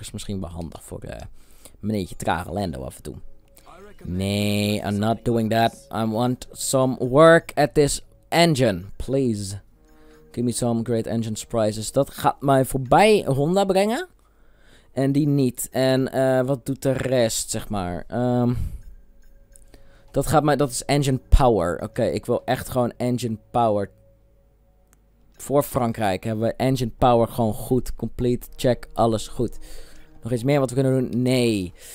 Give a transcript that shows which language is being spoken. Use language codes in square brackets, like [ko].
[nl] Is misschien wel handig voor meneertje trage Lando af en toe. [en] Nee, I'm not doing that. I want some work at this engine, please. Give me some great engine surprises. [nl] Dat gaat mij voorbij Honda brengen. En die niet. En wat doet de rest, zeg maar? Dat gaat mij... Dat is engine power. Oké, ik wil echt gewoon engine power. Voor Frankrijk hebben we engine power gewoon goed. Complete, check, alles goed. nog iets meer wat we kunnen doen? Nee.